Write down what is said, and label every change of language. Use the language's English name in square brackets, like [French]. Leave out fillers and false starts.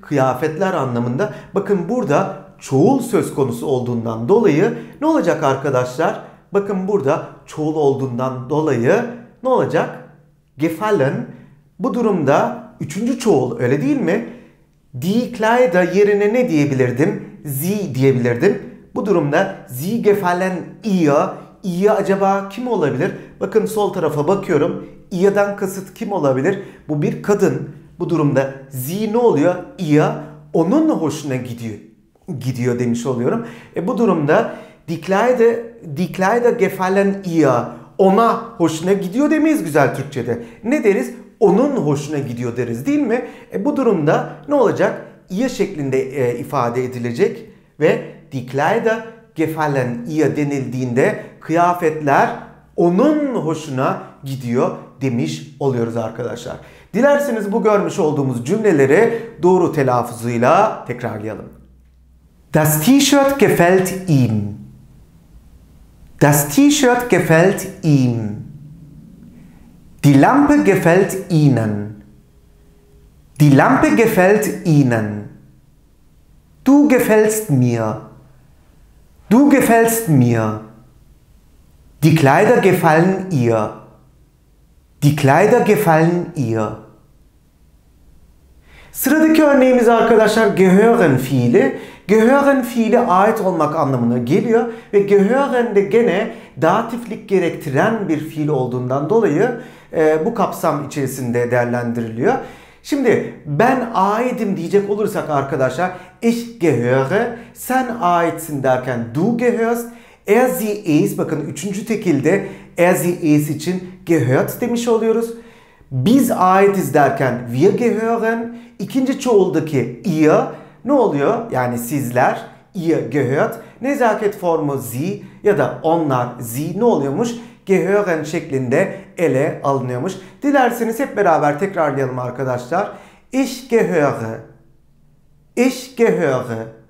[Turkish] Kıyafetler anlamında. Bakın burada çoğul söz konusu olduğundan dolayı ne olacak arkadaşlar? Bakın burada çoğul olduğundan dolayı ne olacak? Gefallen. Bu durumda üçüncü çoğul, öyle değil mi? Die Kleider yerine ne diyebilirdim? Sie diyebilirdim. Bu durumda [German] sie gefallen ihr. [Turkish] İyi acaba kim olabilir? Bakın sol tarafa bakıyorum. İya'dan kasıt kim olabilir? Bu bir kadın. Bu durumda sie ne oluyor? İya onun hoşuna gidiyor demiş oluyorum. Bu durumda [German] die Kleider gefallen ihr. [Turkish] Ona hoşuna gidiyor demeyiz güzel Türkçe'de. Ne deriz? Onun hoşuna gidiyor deriz, değil mi? Bu durumda ne olacak? İya şeklinde ifade edilecek ve [German] die Kleider gefallen ihr [Turkish] denildiğinde kıyafetler onun hoşuna gidiyor demiş oluyoruz arkadaşlar. Dilerseniz bu görmüş olduğumuz cümleleri doğru telaffuzuyla tekrarlayalım. [German] Das T-shirt gefällt ihm. Das T-shirt gefällt ihm. Die Lampe gefällt ihnen. Die Lampe gefällt ihnen. Du gefällst mir. Du gefällst mir. Die Kleider gefallen ihr. Die Kleider gefallen ihr. [Turkish] Sıradaki örneğimiz arkadaşlar gehören fiili. Gehören fiili ait olmak anlamına geliyor. Ve gehören de gene datiflik gerektiren bir fiil olduğundan dolayı bu kapsam içerisinde değerlendiriliyor. Şimdi ben aitim diyecek olursak arkadaşlar, [German] ich gehöre, [Turkish] sen aitsin derken [German] du gehörst. [Turkish] Er, sie, es, bakın üçüncü tekilde er, sie, es için gehört demiş oluyoruz. Biz aitiz derken [German] wir gehören. [Turkish] İkinci çoğuldaki ihr ne oluyor? Yani sizler, [German] ihr gehört. [Turkish] Nezaket formu sie ya da onlar, sie ne oluyormuş? Gehören şeklinde ele alınıyormuş. Dilerseniz hep beraber tekrarlayalım arkadaşlar. [German] Ich gehöre. Ich gehöre.